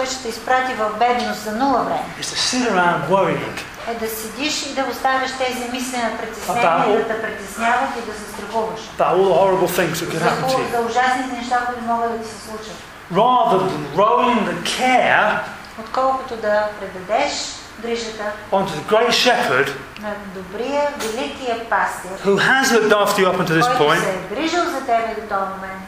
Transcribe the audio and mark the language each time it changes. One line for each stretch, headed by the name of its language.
English: Is to sit around worrying.
Bulgarian: Е да седиш и да оставяш тези мисли на притеснение, да те притесняват и да се страхуваш.
English: That all the horrible things that could happen to you.
Bulgarian: За ужасните неща, които могат да ти се случат.
English: Rather than rolling the care,
Bulgarian: отколкото да предадеш грижата
English: onto the great shepherd,
Bulgarian: на добрия, великия пастир,
English: who has looked after you up until this point,
Bulgarian: който се е грижил за тебе до този момент,